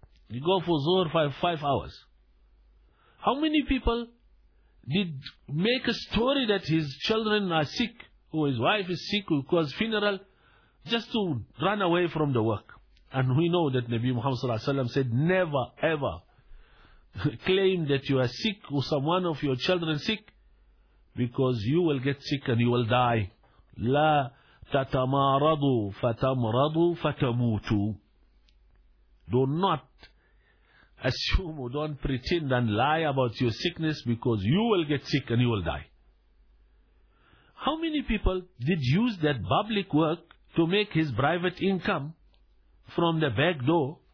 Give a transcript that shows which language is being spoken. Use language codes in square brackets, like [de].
[en] They go for zuhr 5 hours. How many people did make a story that his children are sick, or his wife is sick, or cause funeral, just to run away from the work? And we know that Nabi Muhammad sallallahu alaihi wasallam said, never ever claim that you are sick or someone of your children sick, because you will get sick and you will die. [ar] لا تتمارضوا فتمرضوا فتموتوا. [en] Do not assume or don't pretend and lie about your sickness, because you will get sick and you will die. How many people did use that public work to make his private income from the back door?